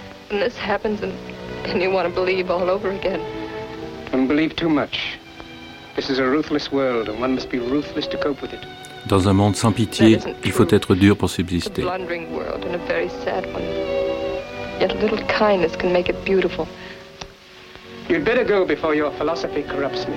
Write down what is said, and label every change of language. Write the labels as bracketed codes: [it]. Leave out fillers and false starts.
[en] And this happens and you want to believe all over again. Don't believe too much. This is a ruthless world and one must be ruthless to cope with it. [fr] Dans un monde sans pitié, il faut être dur pour subsister. [en] A blundering world and a very sad one. Yet a little kindness can make it beautiful. You'd better go before your philosophy corrupts me.